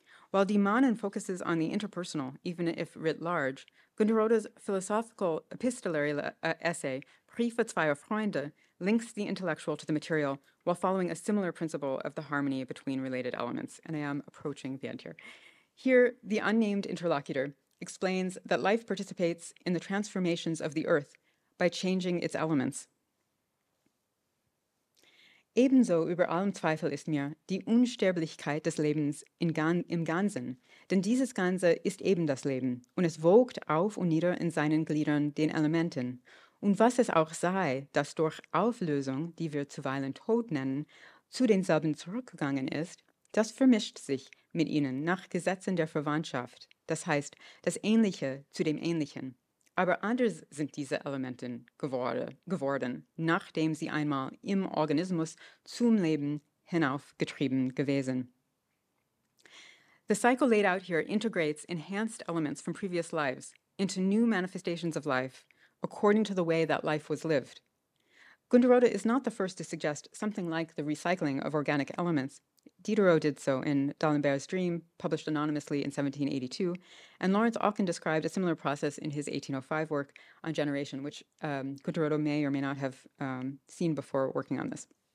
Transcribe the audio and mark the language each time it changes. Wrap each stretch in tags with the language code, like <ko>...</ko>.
<en>While Demanen focuses on the interpersonal, even if writ large, Gunderode's philosophical epistolary essay, Briefe zweier Freunde, links the intellectual to the material while following a similar principle of the harmony between related elements. And I am approaching the end here. Here, the unnamed interlocutor explains that life participates in the transformations of the earth by changing its elements.</en> <de>Ebenso über allem Zweifel ist mir die Unsterblichkeit des Lebens im Ganzen, denn dieses Ganze ist eben das Leben, und es wogt auf und nieder in seinen Gliedern den Elementen. Und was es auch sei, dass durch Auflösung, die wir zuweilen Tod nennen, zu denselben zurückgegangen ist, das vermischt sich mit ihnen nach Gesetzen der Verwandtschaft, das heißt, das Ähnliche zu dem Ähnlichen. Aber anders sind diese Elemente geworden, nachdem sie einmal im Organismus zum Leben hinaufgetrieben gewesen.</de> <en>The cycle laid out here integrates enhanced elements from previous lives into new manifestations of life, according to the way that life was lived. Gunderode is not the first to suggest something like the recycling of organic elements. Diderot did so in D'Alembert's Dream, published anonymously in 1782, and Lawrence Auchin described a similar process in his 1805 work on generation, which Gunderode may or may not have seen before working on this.</en>